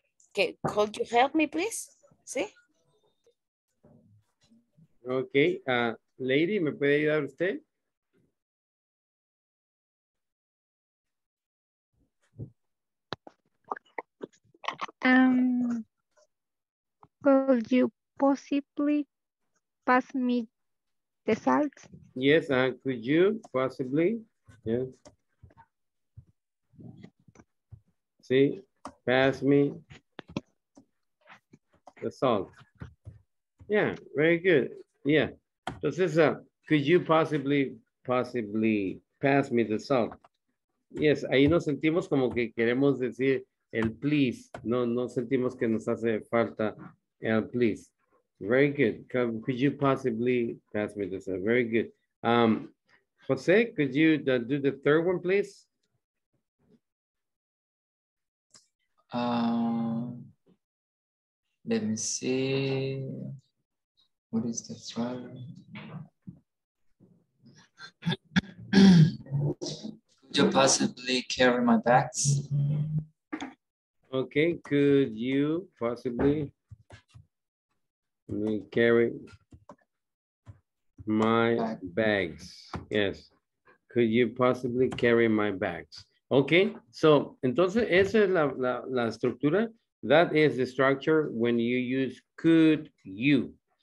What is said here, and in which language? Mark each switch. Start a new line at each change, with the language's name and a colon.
English: Okay, could you help me, please?
Spanish: ¿Sí? Okay, lady, ¿me puede ayudar usted?
English: Could Could you possibly pass me the salt? Yes, and could you possibly? Yes. See, pass me the salt. Yeah, very good. Yeah. So, Cesar, could you possibly pass me the salt? Yes,
Spanish: ahí nos sentimos como que queremos decir el please. No, no sentimos que nos hace falta el please.
English: Very good. Could you possibly pass me the salt? Very good. Jose, could you do the third one, please? Let me see. What is the problem? Could you possibly carry my bags? Okay, could you possibly carry my bags? Yes, could you possibly carry my bags?
Spanish: Okay, so, entonces, esa es la estructura.
English: That is the structure when you use could you.